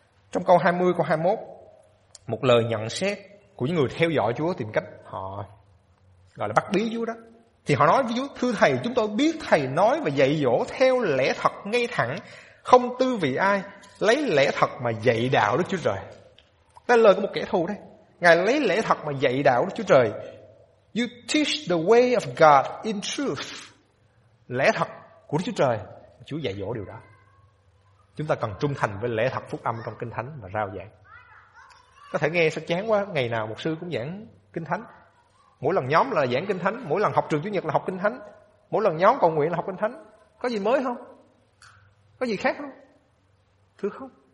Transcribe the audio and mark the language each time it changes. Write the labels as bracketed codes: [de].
[vi] Trong câu 20 câu 21, một lời nhận xét của những người theo dõi Chúa tìm cách họ gọi là bắt bí Chúa đó. Thì họ nói với Chúa: thưa Thầy, chúng tôi biết Thầy nói và dạy dỗ theo lẽ thật ngay thẳng, không tư vị ai, lấy lẽ thật mà dạy đạo Đức Chúa Trời. Đây là lời của một kẻ thù đấy. Ngài lấy lẽ thật mà dạy đạo Đức Chúa Trời. [en] You teach the way of God in truth. [vi] Lẽ thật của Đức Chúa Trời, Chúa dạy dỗ điều đó. Chúng ta cần trung thành với lẽ thật phúc âm trong Kinh Thánh và rao giảng. Có thể nghe sẽ chán quá, ngày nào mục sư cũng giảng Kinh Thánh. Mỗi lần nhóm là giảng Kinh Thánh, mỗi lần học trường Chủ Nhật là học Kinh Thánh, mỗi lần nhóm cầu nguyện là học Kinh Thánh. Có gì mới không? Có gì khác không? Thưa không.